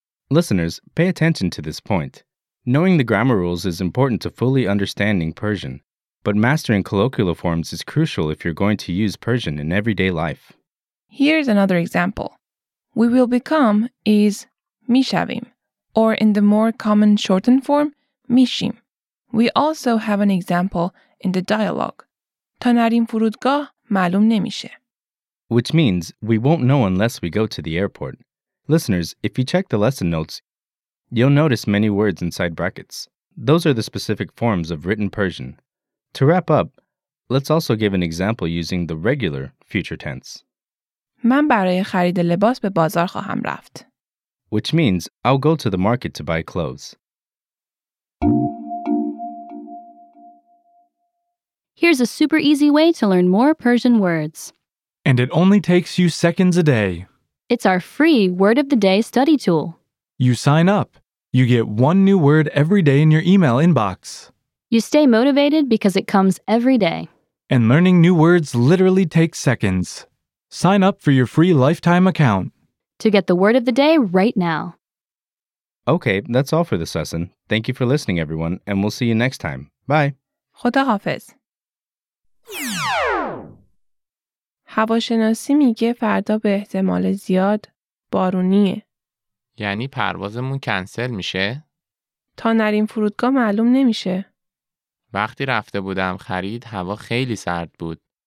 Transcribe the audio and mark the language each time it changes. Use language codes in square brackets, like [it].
[en] Listeners, pay attention to this point. Knowing the grammar rules is important to fully understanding Persian, but mastering colloquial forms is crucial if you're going to use Persian in everyday life. Here's another example. We will become is میشویم, or in the more common shortened form, میشیم. We also have an example in the dialogue. [fa] تا نریم فرودگاه معلوم نمیشه. [en] Which means, we won't know unless we go to the airport. Listeners, if you check the lesson notes, you'll notice many words inside brackets. Those are the specific forms of written Persian. To wrap up, let's also give an example using the regular future tense. [fa] من برای خرید لباس به بازار خواهم رفت. [en] Which means, I'll go to the market to buy clothes. Here's a super easy way to learn more Persian words. And it only takes you seconds a day. It's our free Word of the Day study tool. You sign up. You get one new word every day in your email inbox. You stay motivated because it comes every day. And learning new words literally takes seconds. Sign up for your free lifetime account to get the word of the day right now. Okay, that's all for this lesson. Thank you for listening, everyone, and we'll see you next time. Bye. [fa] خداحافظ. هواشناسی میگه فردا به احتمال زیاد بارونیه. یعنی پروازمون کنسل میشه؟ تا نریم فرودگاه معلوم نمیشه. وقتی رفته بودم خرید هوا خیلی سرد بود.